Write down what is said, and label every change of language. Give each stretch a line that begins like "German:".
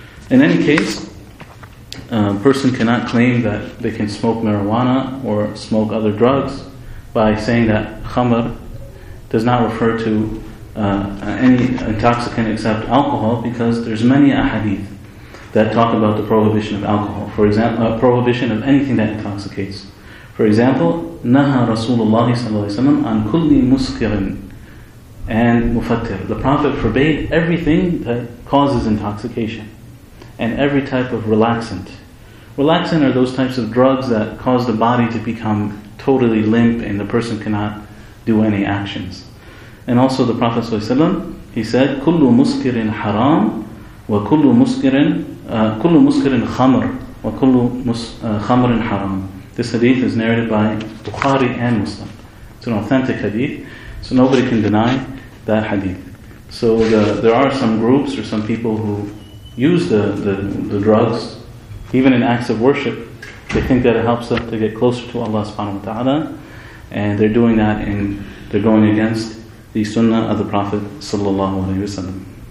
English: In any case, a person cannot claim that they can smoke marijuana or smoke other drugs by saying that khamr does not refer to any intoxicant except alcohol, because there's many ahadith that talk about the prohibition of alcohol. For example, prohibition of anything that intoxicates. For example,
Arabic: نَهَى رَسُولُ اللَّهِ صَلَّى اللَّهِ وَسَلَّمْ عَنْ كُلِّ مُسْكِرٍ and مُفَتِّرٍ.
English: The Prophet forbade everything that causes intoxication and every type of relaxant. Relaxant are those types of drugs that cause the body to become totally limp and the person cannot do any actions. And also the Prophet ﷺ, he said,
Arabic: كُلُّ مُسْكِرٍ حَرَامٍ وَكُلُّ مُسْكِرٍ كُلُّ مُسْكِرٍ خَمْرٍ وَكُلُّ خَمْرٍ حَرَامٍ.
English: This hadith is narrated by Bukhari and Muslim. It's an authentic hadith, so nobody can deny that hadith. So there are some groups or some people who use the drugs, even in acts of worship. They think that it helps them to get closer to Allah subhanahu wa ta'ala, and they're doing that and they're going against the sunnah of the Prophet sallallahu alaihi wasallam.